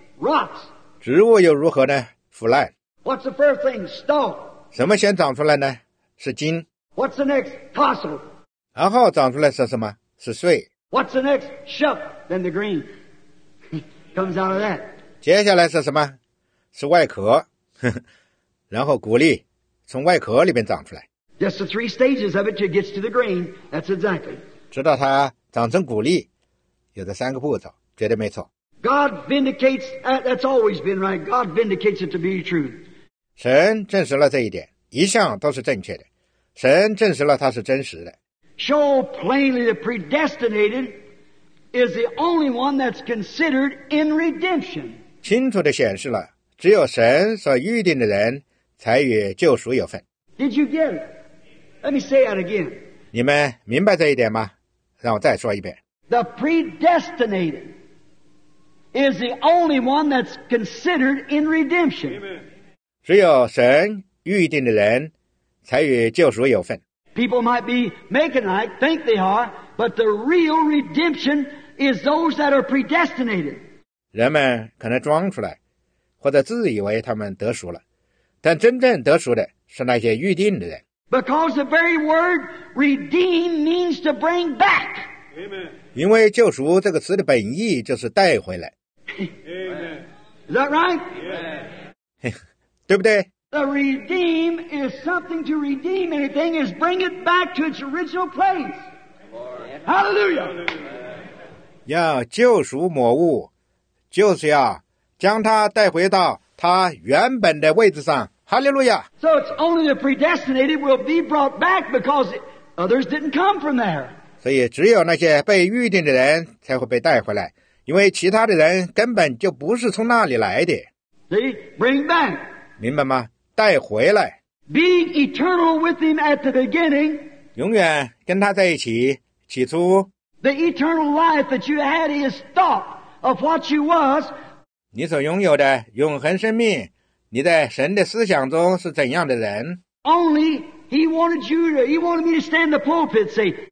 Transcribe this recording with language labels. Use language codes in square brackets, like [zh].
[en] Rots. [zh] 植物又如何呢？腐烂。 [en] What's the first thing? Stalk. [zh] 什么先长出来呢？是茎。 [en] What's the next? Tassel. [zh] 然后长出来是什么？是穗。 [en] What's the next? Shuck. Then the green comes out of that. [zh] 接下来是什么？是外壳，然后谷粒从外壳里面长出来。 [en] Just the three stages of it, it gets to the green. That's exactly. [zh] 直到它长成谷粒，有这三个步骤，绝对没错。 [en] God vindicates, that's always been right. God vindicates it to be true. [zh] 神证实了这一点，一向都是正确的。神证实了它是真实的。 [en] Show plainly the predestinated is the only one that's considered in redemption. [zh] 清楚地显示了，只有神所预定的人才与救赎有份。 [en] Did you get it? Let me say that again. [zh] 你们明白这一点吗？让我再说一遍。 [en] The predestinated. Is the only one that's considered in redemption. [zh] 只有神预定的人才与救赎有份。 [en] People might be making like, think they are, but the real redemption is those that are predestinated. [zh] 人们可能装出来，或者自以为他们得赎了，但真正得赎的是那些预定的人。 [en] Because the very word redeem means to bring back. Amen. [zh] 因为救赎这个词的本意就是带回来。 [en] Amen. Is that right? Amen. [zh] 对不对？ [en] The redeem is something to redeem anything is bring it back to its original place. Hallelujah. [zh] 要救赎某物，就是要将它带回到它原本的位置上。 [en] Hallelujah. So it's only the predestinated will be brought back because others didn't come from there. [zh] 所以只有那些被预定的人才会被带回来，因为其他的人根本就不是从那里来的。 [en] See, bring back. [zh] 明白吗？带回来。 [en] Be eternal with him at the beginning. [zh] 永远跟他在一起，起初。 [en] The eternal life that you had is thought of what you was. [zh] 你所拥有的永恒生命，你在神的思想中是怎样的人 [en] ？Only. He wanted me to stand in the pulpit, say.